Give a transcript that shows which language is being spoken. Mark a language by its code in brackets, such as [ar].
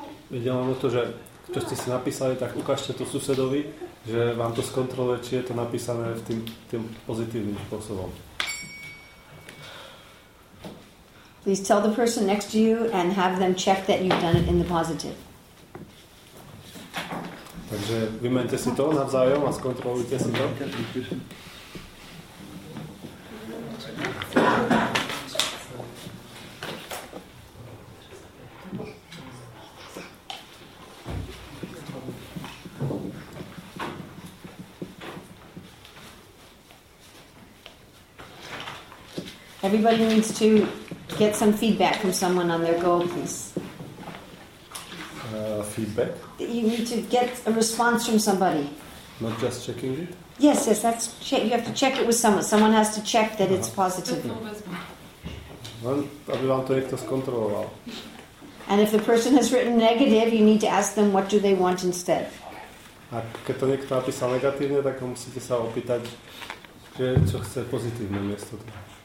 [sk] Videlo to, že čo ste si napísali, tak ukážte to susedovi, že vám to skontroluje, či je to napísané v tým pozitívnym spôsobom. [en] Please tell the person next to you and have them check that you've done it in the positive. [sk] Takže vymente si to navzájom a skontrolujte si to. [en] Everybody needs to get some feedback from someone on their goal, please. Feedback? You need to get a response from somebody. Not just checking it? Yes, that's you have to check it with someone. Someone has to check that it's positive. [sk] Aby vám to niekto skontroloval. [en] And if the person has written negative, you need to ask them what do they want instead. [sk] A keď to niekto napísal negatívne, tak musíte sa opýtať, čo chce pozitívne miesto toho.